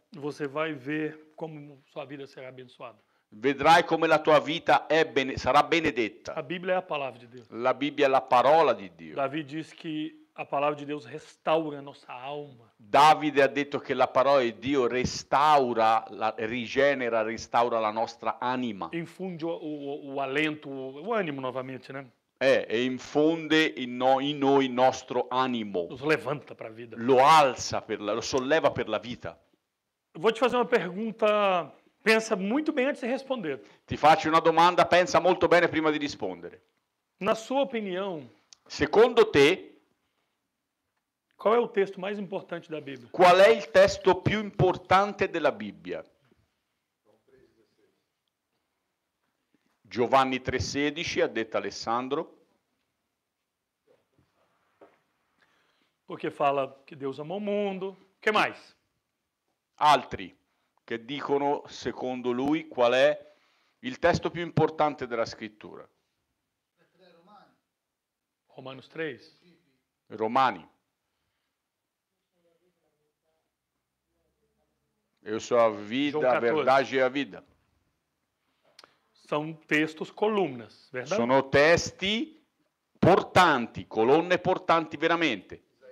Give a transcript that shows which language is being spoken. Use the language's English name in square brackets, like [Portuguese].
[Portuguese] Você vai ver como sua vida será abençoada. [Italian] Vedrai come la tua vita sarà benedetta. [Portuguese] A Bíblia é a palavra de Deus. [Italian] La Bibbia è la parola di Dio. [Portuguese] Davi diz que a palavra de Deus restaura a nossa alma. [Italian] Davide ha detto che la parola di Dio restaura, rigenera, restaura la nostra anima. [Portuguese] Infunde o alento, o ânimo novamente, né? [Italian] E infonde in noi il nostro animo. Lo levanta per la vita. Lo alza, lo solleva per la vita. [Portuguese] Vou te fazer uma pergunta, pensa muito bem antes de responder. [Italian] Ti faccio una domanda, pensa molto bene prima di rispondere. [Portuguese] Na sua opinião, [Italian] secondo te, [Portuguese] qual é o texto mais importante da Bíblia? Qual é o texto [Italian] più importante della Bibbia? Giovanni 3:16, ha detto Alessandro. [Portuguese] Porque fala que Deus amou o mundo. Che mais? [Italian] Altri che dicono, secondo lui, qual è il testo più importante della scrittura? [Portuguese] Romanos 3. [Italian] Romani. [Portuguese] Eu sou a vida, a verdade e a vida. São textos colunas, verdade? [Italian] Sono testi portanti, colonne portanti veramente.